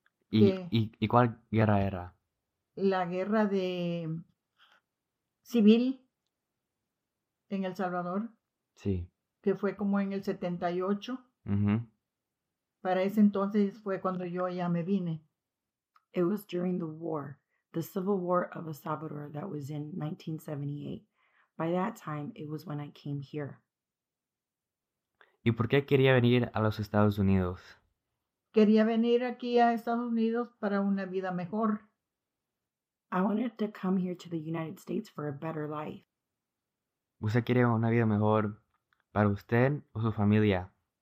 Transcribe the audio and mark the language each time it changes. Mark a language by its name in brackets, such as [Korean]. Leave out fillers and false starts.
[Spanish] ¿Y cuál guerra era? La guerra de civil en El Salvador. Sí. Que fue como en el 78. Uh-huh. Para ese entonces fue cuando yo ya me vine. [English] It was during the war, the civil war of El Salvador that was in 1978. By that time, it was when I came here. [Spanish] ¿Y por qué quería venir a los Estados Unidos? Quería venir aquí a Estados Unidos para una vida mejor. [English] I wanted to come here to the United States for a better life. [Spanish] ¿Usted quiere una vida mejor para usted o su familia?